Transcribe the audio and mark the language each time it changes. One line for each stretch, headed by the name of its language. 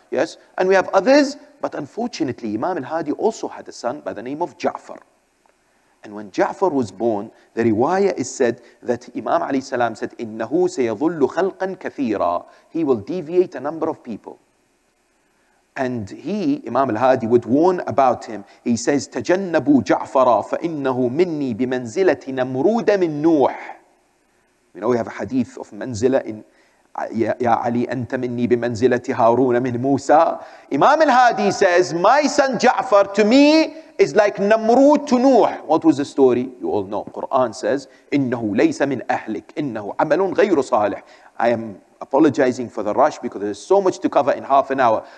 English: Yes, and we have others, but unfortunately Imam al-Hadi also had a son by the name of Ja'far. And when Ja'far was born, the riwayah is said that Imam alayhi salam said,
Arabic: إِنَّهُ سَيَظُلُّ خَلْقًا كَثِيرًا.
English: He will deviate a number of people. And he, Imam al-Hadi, would warn about him. He says,
Arabic: تَجَنَّبُوا جَعْفَرًا فَإِنَّهُ مِنِّي بِمَنْزِلَةِ نَمْرُودَ مِنْ نُوحٍ.
English: You know, we have a hadith of manzila in Ya Ali,
Arabic: أَنْتَ مِنِّي بِمَنْزِلَةِ هَارُونَ مِنْ مُوسَى.
English: Imam al-Hadi says, my son Ja'far to me is like Namrud to Nuh. What was the story? You all know. Quran says,
Arabic: إِنَّهُ لَيْسَ مِنْ أَهْلِكَ إِنَّهُ عَمَلٌ غَيْرُ صَالِحٍ.
English: I am apologizing for the rush because there's so much to cover in half an hour.